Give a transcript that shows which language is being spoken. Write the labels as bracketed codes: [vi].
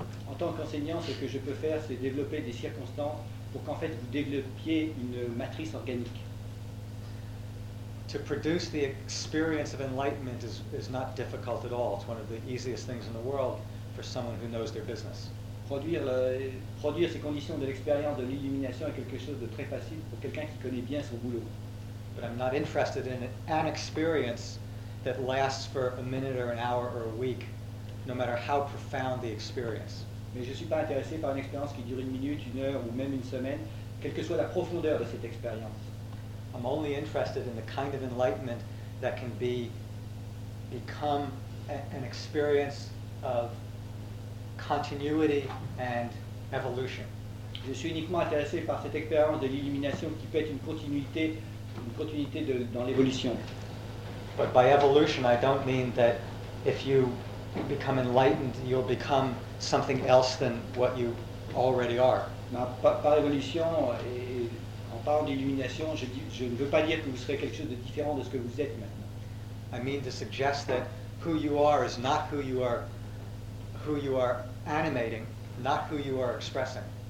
[fr] En tant qu'enseignant, ce que je peux faire, c'est développer des circonstances pour qu'en fait vous développiez une matrice organique. [en] To produce the experience of enlightenment is not difficult at all. It's one of the easiest things in the world for someone who knows their business. [fr] Produire ces conditions de l'expérience de l'illumination est quelque chose de très facile pour quelqu'un qui connaît bien son boulot. [en] But I'm not interested in an experience that lasts for a minute or an hour or a week, no matter how profound the experience. [fr] Mais je ne suis pas intéressé par une expérience qui dure une minute, une heure ou même une semaine, quelle que soit la profondeur de cette expérience. [en] I'm only interested in the kind of enlightenment that can be become an experience of continuity and evolution. [fr] Je suis uniquement intéressé par cette expérience de l'illumination qui peut être une continuité dans l'évolution. [en] But by evolution, I don't mean that if you become enlightened, you'll become something else than what you already are. [fr] Par évolution et en parlant d'illumination, je ne veux pas dire que vous serez quelque chose de différent de ce que vous êtes maintenant. [en] I mean to suggest that who you are is not who you are animating, not who you are expressing.